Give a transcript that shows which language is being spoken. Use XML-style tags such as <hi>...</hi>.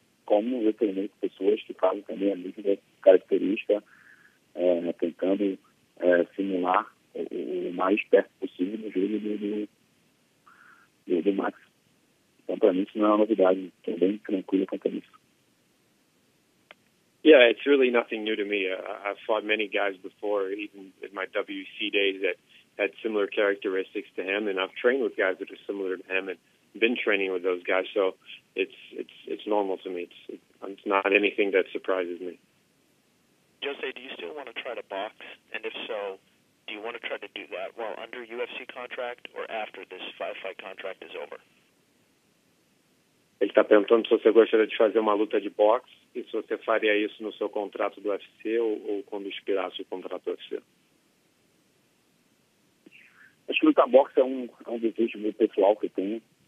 <pt>Como eu treinei com pessoas que fazem também a mesma característica, tentando simular o mais perto possível no jogo do Max. Então, para mim, isso não é uma novidade. Estou bem tranquilo quanto a isso.</pt> <en>Yeah, it's really nothing new to me. I've fought many guys before, even in my WC days, that had similar characteristics to him, and I've trained with guys that are similar to him and been training with those guys, so it's normal to me. It's not anything that surprises me. Jose, do you still want to try to box? And if so, do you want to try to do that while under UFC contract or after this five-fight contract is over?</en> <pt>Ele está perguntando se você gostaria de fazer uma luta de boxe e se você faria isso no seu contrato do UFC ou quando expirasse o contrato do UFC. Acho que lutar boxe é um desejo meu pessoal que eu tenho.</pt>